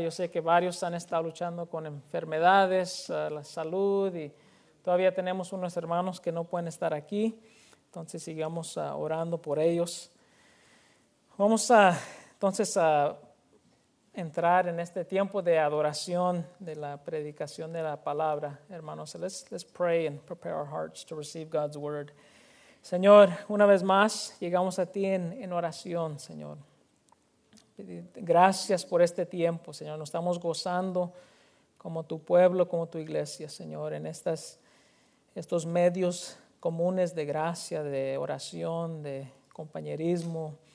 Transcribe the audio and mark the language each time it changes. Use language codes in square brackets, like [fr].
[es] Yo sé que varios han estado luchando con enfermedades, la salud, y todavía tenemos unos hermanos que no pueden estar aquí, entonces sigamos orando por ellos. Vamos a entonces a entrar en este tiempo de adoración de la predicación de la palabra, hermanos. [en] Let's pray and prepare our hearts to receive God's word. [es] Señor, una vez más llegamos a ti en oración, Señor. Gracias por este tiempo, Señor. Nos estamos gozando como tu pueblo, como tu iglesia, Señor, en estos medios comunes de gracia, de oración, de compañerismo.